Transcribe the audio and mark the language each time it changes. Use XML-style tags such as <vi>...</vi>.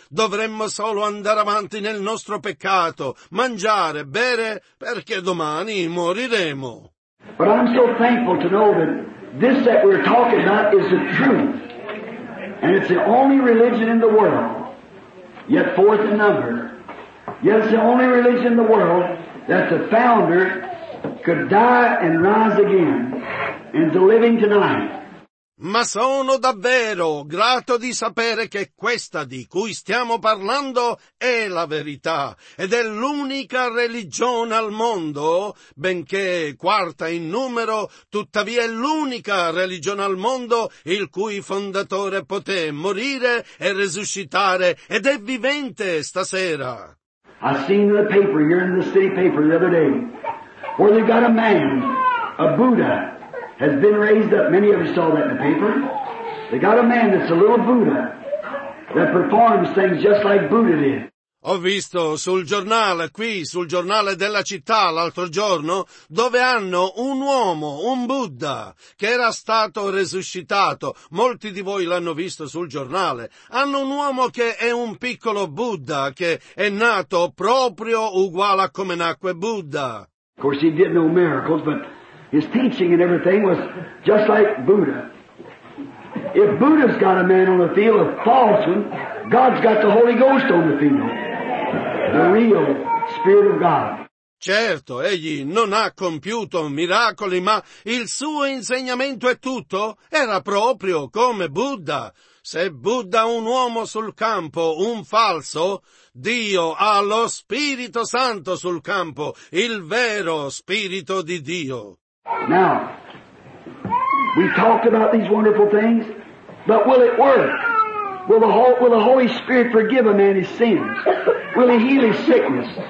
<it>Dovremmo solo andare avanti nel nostro peccato, mangiare, bere, perché domani moriremo.</it> <en>But I'm so thankful to know that this that we're talking about is the truth. And it's the only religion in the world, yet fourth in number. Yet it's the only religion in the world that the founder could die and rise again and is living tonight.</en> <it>Ma sono davvero grato di sapere che questa di cui stiamo parlando è la verità ed è l'unica religione al mondo, benché quarta in numero, tuttavia è l'unica religione al mondo il cui fondatore poté morire e resuscitare ed è vivente stasera.</it> <en>I seen the paper here in the city paper the other day where they got a man, a Buddha, has been raised up. Many of you saw that in the paper. They got a man that's a little Buddha that performs things just like Buddha did.</en> <it>Ho visto sul giornale, qui, sul giornale della città l'altro giorno, dove hanno un uomo, un Buddha, che era stato resuscitato. Molti di voi l'hanno visto sul giornale. Hanno un uomo che è un piccolo Buddha, che è nato proprio uguale a come nacque Buddha.</it> <en>Of course he did no miracles, but his teaching and everything was just like Buddha. If Buddha's got a man on the field, a false one, God's got the Holy Ghost on the field, the real Spirit of God.</en> <it>Certo, egli non ha compiuto miracoli, ma il suo insegnamento e tutto era proprio come Buddha. Se Buddha un uomo sul campo, un falso, Dio ha lo Spirito Santo sul campo, il vero Spirito di Dio.</it> <en>Now, we talked about these wonderful things, but will it work? Will the Holy Spirit forgive a man his sins? Will he heal his sickness?</en>